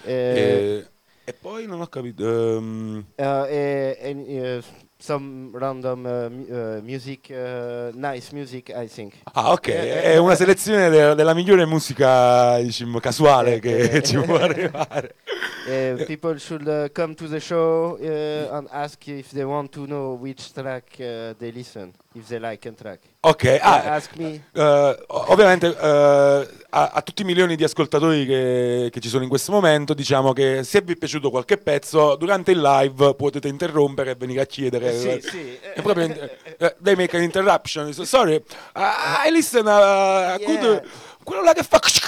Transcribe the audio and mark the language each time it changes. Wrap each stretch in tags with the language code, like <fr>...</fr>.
<it>E poi non ho capito.</it> <en>Some random music, nice music, I think.</en> <it>Ah, ok, è una selezione della migliore musica, diciamo, casuale che ci può arrivare.</it> <en>People should come to the show and ask if they want to know which track they listen, if they like a track. Ok, ask me.</en> <it>Ovviamente a tutti i milioni di ascoltatori che ci sono in questo momento, diciamo che se vi è piaciuto qualche pezzo, durante il live potete interrompere e venire a chiedere. Sì, sì.</it> <en>Proprio they make an interruption. So, sorry, I listen good,</en> <it>quello là che fa...</it>